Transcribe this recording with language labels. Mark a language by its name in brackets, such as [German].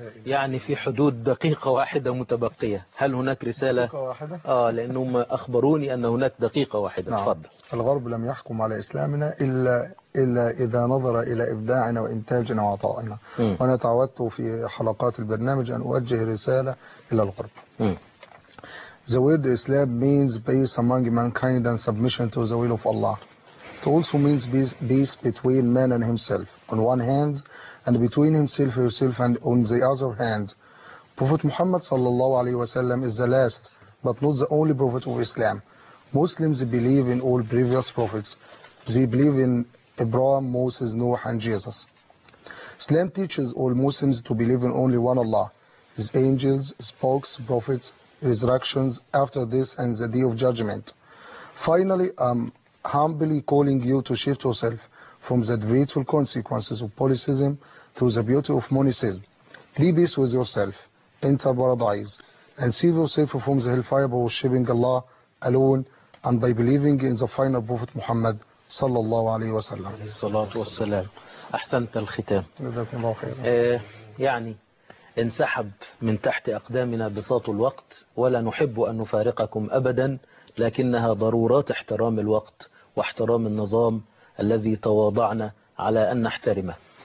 [Arabic] يعني في حدود دقيقة واحدة متبقية، هل هناك رسالة؟ دقيقة واحدة؟ لأنهم أخبروني أن هناك دقيقة واحدة. نعم. تفضل. الغرب لم يحكم على إسلامنا إلا إذا نظر إلى إبداعنا وإنتاجنا وعطائنا. وأنا تعودت في حلقات البرنامج أن أوجه رسالة إلى الغرب. [English] The word Islam means peace among mankind and submission to the will of Allah. It also means peace between man and himself on one hand and between himself and yourself and on the other hand. Prophet Muhammad sallallahu alaihi wasallam is the last but not the only prophet of Islam. Muslims believe in all previous prophets. They believe in Abraham, Moses, Noah and Jesus. Islam teaches all Muslims to believe in only one Allah, his angels, spokes, prophets, resurrections after this and the day of judgment. Finally, I'm humbly calling you to shift yourself from the dreadful consequences of polytheism to the beauty of monotheism. Be peace with yourself, enter paradise, and save yourself from the hellfire by worshipping Allah alone and by believing in the final Prophet Muhammad sallallahu alayhi wa sallam. [Arabic] Salatu wa salam. Ahsant al-khitam. Jazakum Allah khair. يعني انسحب من تحت أقدامنا بساط الوقت، ولا نحب أن نفارقكم أبدا، لكنها ضرورات احترام الوقت واحترام النظام الذي تواضعنا على أن نحترمه.